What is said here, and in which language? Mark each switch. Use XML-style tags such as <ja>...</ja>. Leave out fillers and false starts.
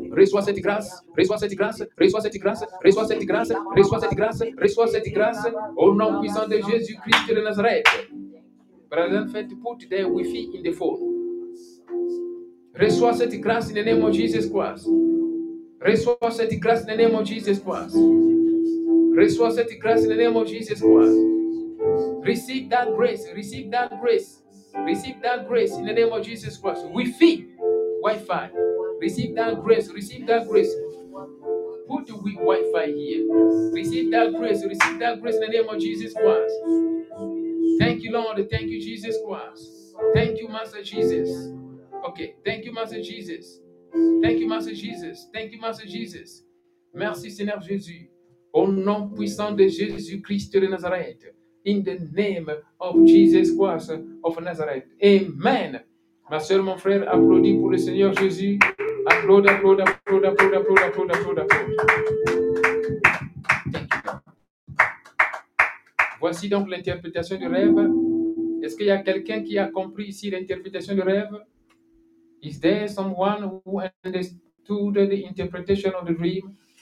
<fr>reçois cette grâce, reçois cette grâce, reçois cette grâce, reçois cette grâce, reçois cette grâce, reçois cette grâce, au nom puissant de Jésus-Christ de Nazareth.</fr> <en>Brother, faites put their Wi-Fi in the phone.</en> <fr>Reçois cette grâce</fr> <en>in the name of Jesus Christ. Reçois cette grâce in the name of Jesus Christ.</en> <fr>Reçois cette grâce</fr> <en>in the name of Jesus Christ. Receive that grace, receive that grace. Receive that grace in the name of Jesus Christ. Wi-Fi, Wi-Fi. Receive that grace, receive that grace. Put we Wi-Fi here. Receive that grace in the name of Jesus Christ. Thank you, Lord. Thank you, Jesus Christ. Thank you, Master Jesus. Okay, thank you, Master Jesus. Thank you, Master Jesus. Thank you, Master Jesus.</en> <fr>Merci, Seigneur Jésus. Au nom puissant de Jésus-Christ de Nazareth.</fr> <en>In the name of Jesus Christ of Nazareth. Amen.</en> <fr>Ma soeur, mon frère, applaudis pour le Seigneur Jésus. Applaudis, applaudis, applaudis, applaudis, applaudis, applaudis, applaudis, applaudis. Voici donc l'interprétation du rêve. Est-ce qu'il y a quelqu'un qui a compris ici l'interprétation du rêve?</fr> <en>Is there someone who understood the interpretation of the dream?</en>